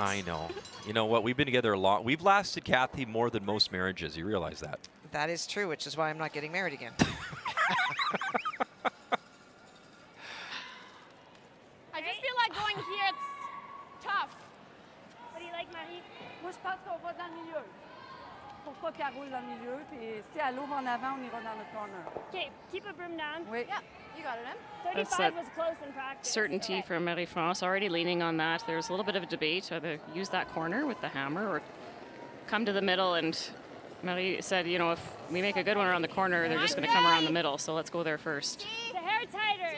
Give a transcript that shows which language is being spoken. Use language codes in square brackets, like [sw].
[en] I know. You know what? We've been together a long. We've lasted Kathy more than most marriages. You realize that? That is true, which is why I'm not getting married again. I just feel like going here, it's tough. What do you like, Marie? [fr] Moi, je pense qu'on va dans le milieu. Pour pas qu'elle roule dans le milieu. Puis si elle ouvre en avant, on ira dans le corner. [en] Okay, keep a broom down. [fr] Oui. [en] Yeah. You got it, man. 35 was close in practice. Certainty for Marie-France, already leaning on that. There's a little bit of a debate whether use that corner with the hammer or come to the middle. And Marie said, you know, if we make a good one around the corner, they're just going to come around the middle. So let's go there first. The hair tighter.